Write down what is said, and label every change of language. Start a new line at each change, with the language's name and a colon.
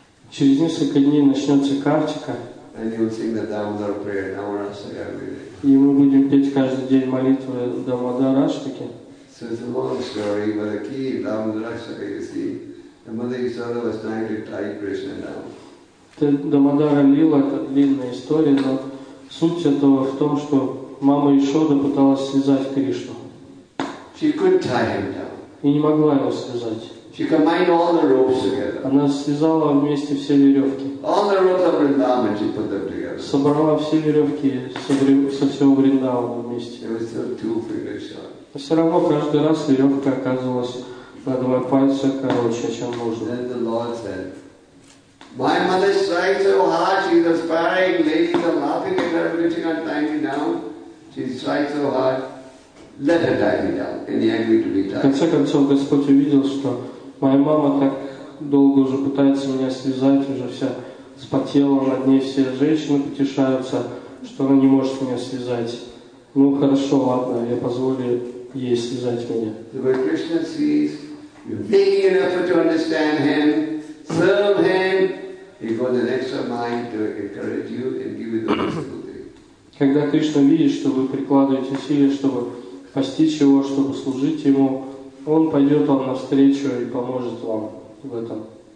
Russian: Через несколько дней начнется Картика.
English: And you will sing the Damodar prayer, Namarashtaka every
Russian: day. И мы будем петь каждый день молитвы Дамодараштаке.
English: So it's a long story, but the key in Дамодараштака, you see, the mother Yasoda was trying to tie Krishna down.
Russian: Дамодара Лила — это длинная история, но суть этого в том, что мама Ишода пыталась связать Кришну.
English: She couldn't tie him down.
Russian: И не могла его связать.
English: She combined all the ropes together.
Russian: Она связала вместе все веревки.
English: All the ropes of Vrindavan, she put them together.
Russian: Собрала все веревки со всего Вриндавана вместе.
English: It was still two fingers short.
Russian: Но все равно каждый раз веревка оказывалась на два пальца короче, чем нужно.
English: Then the Lord said, "My mother is trying so hard. She's aspiring. Ladies are laughing at her because she can't tie me down. She's trying so hard." Let her tie me down, and he agreed to be tied.
Russian: В конце концов, Господь увидел, что моя мама так долго уже пытается меня связать, уже вся вспотела, над ней все женщины потешаются, что она не может меня связать. Ну хорошо, ладно, я позволю ей связать меня.
English: But Krishna sees, making an effort to understand him, serve him, he got an extra mind to encourage you and give you the possibility.
Russian: Когда Кришна видит, что вы прикладываете усилия, чтобы постичь его, чтобы служить ему, он пойдет вам навстречу и поможет вам в этом.